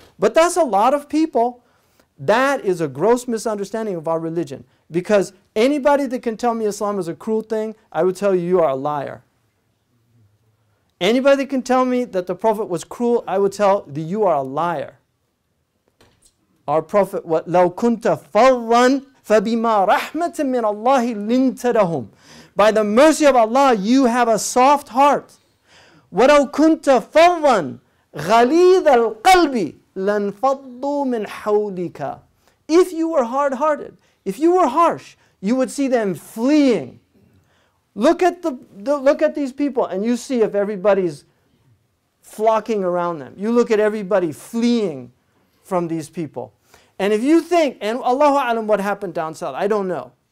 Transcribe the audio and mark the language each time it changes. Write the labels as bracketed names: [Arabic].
[English] But that's a lot of people. That is a gross misunderstanding of our religion. Because anybody that can tell me Islam is a cruel thing, I would tell you, you are a liar. Anybody that can tell me that the Prophet was cruel, I would tell that you are a liar. Our Prophet, what [Arabic] لَوْ كُنْتَ فَضًّا فَبِمَا رَحْمَةٍ مِّنَ اللَّهِ لِنْتَ لَهُمْ. [English] By the mercy of Allah, you have a soft heart. [Arabic] وَلَوْ كُنْتَ فَضًّا غليظ القلب لنفضوا من حولك. [English] If you were hard-hearted, if you were harsh, you would see them fleeing. Look at look at these people, and you see if everybody's flocking around them. You look at everybody fleeing from these people, and if you think, and Allahu A'lam, what happened down south? I don't know.